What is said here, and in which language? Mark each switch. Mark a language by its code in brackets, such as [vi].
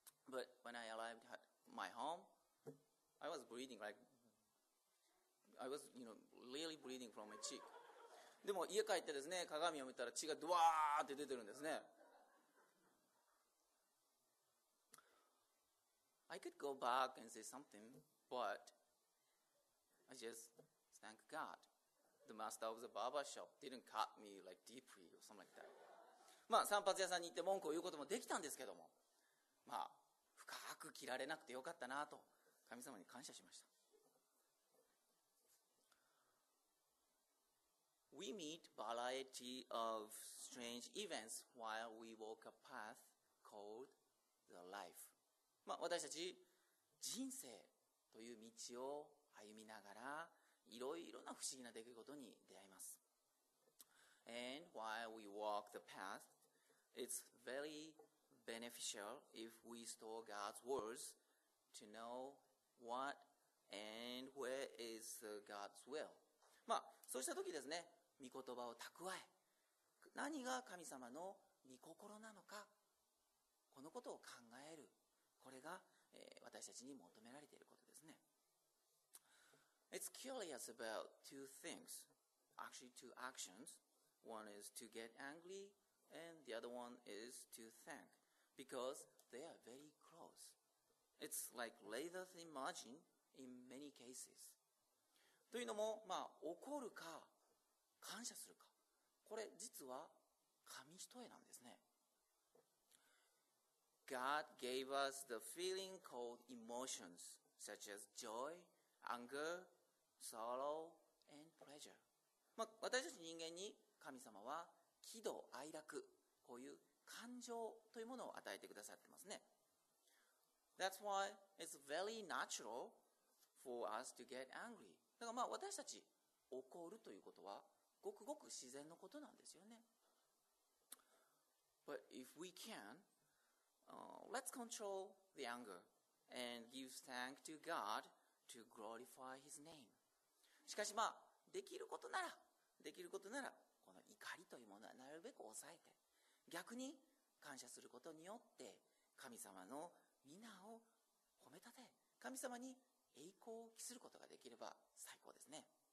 [en] But when I arrived at my home I was bleeding like I was you know really bleeding from my cheek。 [ja] でも家帰ってですね、鏡を見たら血がドワーって出てるんですね。 [en] I could go back and say somethingBut I just thank God the master of the barber shop didn't cut me like deeply or something like that. [ja] まあ散髪屋さんに行って文句を言うこともできたんですけども、まあ深く切られなくてよかったなと神様に感謝しました。 [en] We meet variety of strange events while we walk a path called the life. [ja] まあ私たち人生という道を歩みながら、いろいろな不思議な出来事に出会います。 [en] And while we walk the path, it's very beneficial if we store God's words to know what and where is God's will. [ja] まあ、そうした時ですね、御言葉を蓄え、何が神様の御心なのか、このことを考える、これが私たちに求められていることですね。 [en] It's curious about two things, actually two actions. One is to get angry and the other one is to thank because they are very close. It's like razor thin margin in many cases. [ja] というのも、まあ、怒るか感謝するか、これ実は紙一重なんですね。 [en] God gave us the feeling called emotions, such as joy, anger, sorrow, and pleasure. [ja] まあ、私たち人間に神様は喜怒哀楽、こういう感情というものを与えてくださってますね。 [en] That's why it's very natural for us to get angry. [ja] だからまあ私たち怒るということはごくごく自然のことなんですよね。 [en] But if we can,let's control the anger and give thanks to God to glorify His name. [ja] しかしまあできることならこの怒りというものはなるべく抑えて、逆に感謝することによって神様の御名を褒めたて、神様に栄光を期することができれば最高ですね。